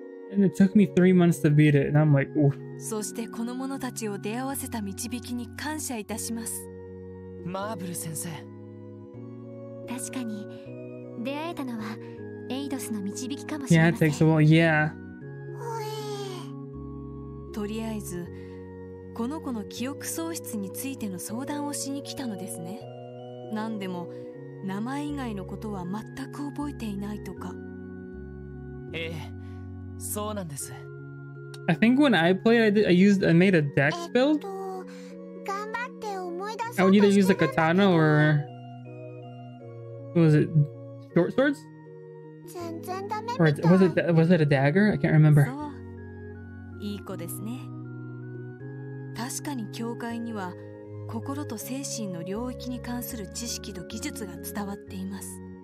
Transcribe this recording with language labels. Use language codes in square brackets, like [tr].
[en] And it took me 3 months to beat it. And I'm like, oof. [ja] そしてこの者たちを出会わせた導きに感謝いたします。マーブル先生。確かに出会えたのはエイドスの導きかもしれません。 [en] Yeah, it takes a while. Yeah. [ja] とりあえずこの子の記憶喪失についての相談をしに来たのですね。なんでも名前以外のことは全く覚えていないとか。ええ、そうなんです。 [en] I think when I played, I made a dex build. [ja] 頑張って思い出そうとしてるんだけど。 [en] I would either use a katana or... was it short swords? [ja] 全然ダメ。 [en] Or was it a dagger? I can't remember. [ja] いい子ですね。確かに教会には心と精神の領域に関する知識と技術が伝わっています。